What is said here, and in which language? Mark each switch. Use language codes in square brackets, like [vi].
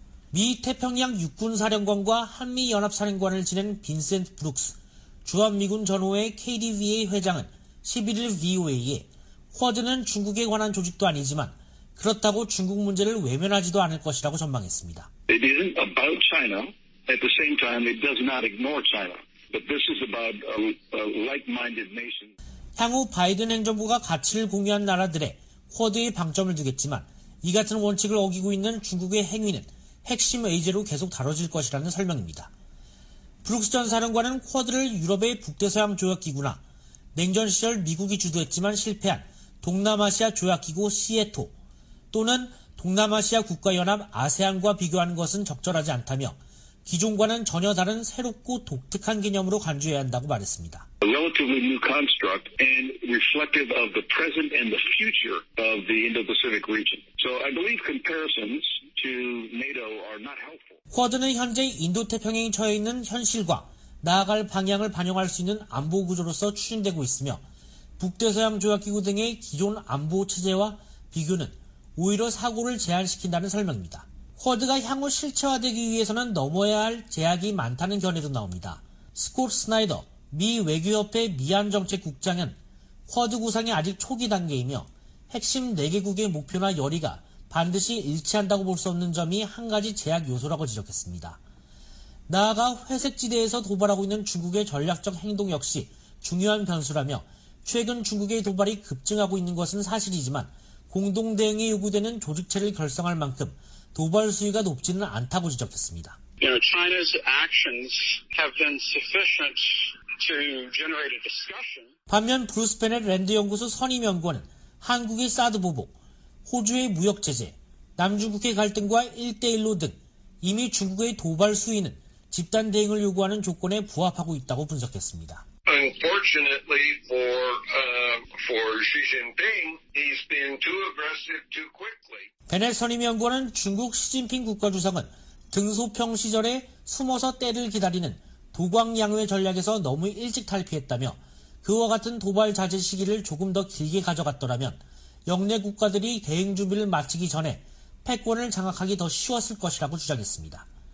[ko] 미 태평양 육군사령관과 한미연합사령관을 지낸 빈센트 브룩스, 주한미군 전호회 KDVA 회장은 11일 VOA에 쿼드는 중국에 관한 조직도 아니지만 그렇다고 중국 문제를 외면하지도 않을 것이라고 전망했습니다. [en] It isn't about China. At the same time, it does not ignore China. But this is about like-minded nations. [ko] 향후 바이든 행정부가 가치를 공유한 나라들의 쿼드의 방점을 두겠지만 이 같은 원칙을 어기고 있는 중국의 행위는 핵심 의제로 계속 다뤄질 것이라는 설명입니다. 브룩스 전 사령관은 쿼드를 유럽의 북대서양 조약기구나 냉전 시절 미국이 주도했지만 실패한 동남아시아 조약기구 시애토 또는 동남아시아 국가연합 아세안과 비교하는 것은 적절하지 않다며 기존과는 전혀 다른 새롭고 독특한 개념으로 간주해야 한다고 말했습니다. [en] A relatively new construct and reflective of the present and the future of the Indo-Pacific region. So I believe comparisons to NATO are not helpful. [ko] 쿼드는 현재 인도태평양이 처해 있는 현실과 나아갈 방향을 반영할 수 있는 안보 구조로서 추진되고 있으며 북대서양 조약기구 등의 기존 안보 체제와 비교는 오히려 사고를 제한시킨다는 설명입니다. 쿼드가 향후 실체화되기 위해서는 넘어야 할 제약이 많다는 견해도 나옵니다. 스콧 스나이더, 미 외교협회 미안정책국장은 쿼드 구상이 아직 초기 단계이며 핵심 4개국의 목표나 열의가 반드시 일치한다고 볼 수 없는 점이 한 가지 제약 요소라고 지적했습니다. 나아가 회색지대에서 도발하고 있는 중국의 전략적 행동 역시 중요한 변수라며 최근 중국의 도발이 급증하고 있는 것은 사실이지만 공동대응에 요구되는 조직체를 결성할 만큼 도발 수위가 높지는 않다고 지적했습니다. [en] You know, China's actions have been sufficient to generate a discussion. [ko] 반면 브루스 베넷 랜드연구소 선임연구원은 한국의 사드 보복, 호주의 무역 제재, 남중국해 갈등과 1대1로 등 이미 중국의 도발 수위는 집단 대응을 요구하는 조건에 부합하고 있다고 분석했습니다. [en] Unfortunately for Xi Jinping, he's been too aggressive too quickly. [ko] 베넷 선임연구원은 중국 시진핑 국가주석은 등소평 시절에 숨어서 때를 기다리는 도광양후의 전략에서 너무 일찍 탈피했다며 그와 같은 도발 자제 시기를 조금 더 길게 가져갔더라면 영내 국가들이 대응 준비를 마치기 전에 패권을 장악하기 더 쉬웠을 것이라고 주장했습니다.